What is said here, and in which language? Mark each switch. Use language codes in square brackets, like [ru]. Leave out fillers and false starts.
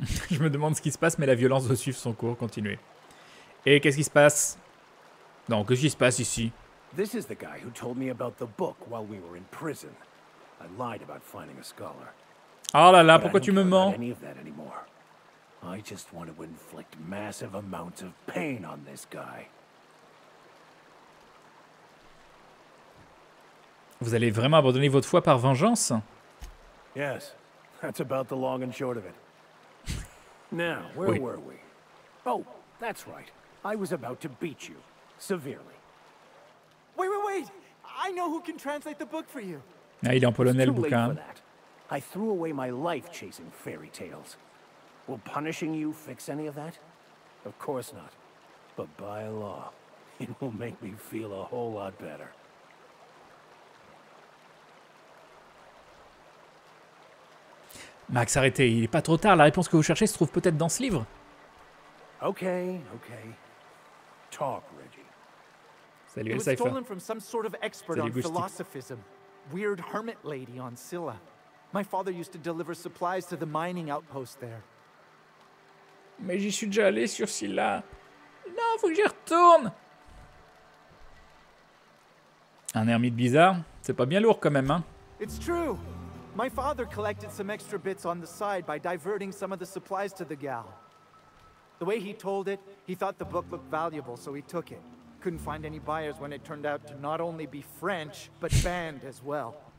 [fr] Je me demande ce qui se passe, mais la violence doit suivre son cours. Continuez. Et qu'est-ce qui se passe? Non, qu'est-ce qui se passe ici? [en] This is the guy who told me about the book while we were in prison. I lied about finding a scholar. [fr] Oh là là, pourquoi tu me mens? [en] I just want to inflict massive amounts of pain on this guy. [fr] Vous allez vraiment abandonner votre foi par vengeance? [en] Yes, that's about the long and short of it. Now, where were we? Oh, that's right. I was about to beat you severely. Wait, wait, wait. I know who can translate the book for you. [fr] Ah, il est en polonais le bouquin. [en] I threw away my life chasing fairy tales. Will punishing you fix any of that? Of course not. But by law, it will make me feel a whole lot better. [fr] Max, arrêtez, il est pas trop tard. La réponse que vous cherchez se trouve peut-être dans ce livre. [en] Okay, okay. Talk, Reggie. [fr] Salut, Cypher. [en] It was stolen from some sort of expert on philosophism. Weird hermit lady on Scylla. My father used to deliver supplies to the mining outpost there. [fr] Mais j'y suis déjà allé sur Scylla. Non, faut que j'y retourne. Un ermite bizarre, c'est pas bien lourd quand même, hein. [en] It's true. My father collected some extra bits on the side by diverting some of the supplies to the gal. The way he told it, he thought the book looked valuable, so he took it. Couldn't find any buyers when it turned out to not only be French, but banned as well.